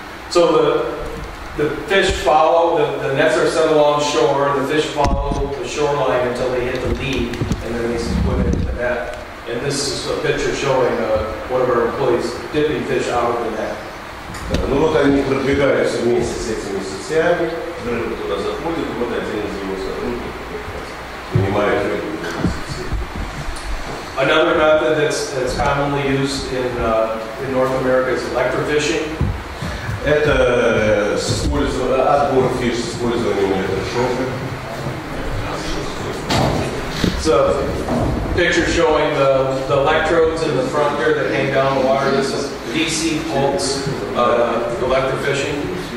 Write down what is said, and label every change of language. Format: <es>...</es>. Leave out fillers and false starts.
<en>So the fish follow, the nets are set along shore, the fish follow the shoreline until they hit the lead, and then they put it in the net. And this is a picture showing one of our employees dipping fish out of the net.</en> <ru>Ну вот они продвигаются вместе с этими сетями, рыба туда заходит, вот один из его сотрудников вынимает рыбу из сети.</ru> <en>Another method that's commonly used in North America is electrofishing.</en> <ru>Это отбор фиш с использованием электрошока.</ru> <en>So, picture showing the electrodes in the front there that hang down the water. This is DC pulse electrofishing.</en>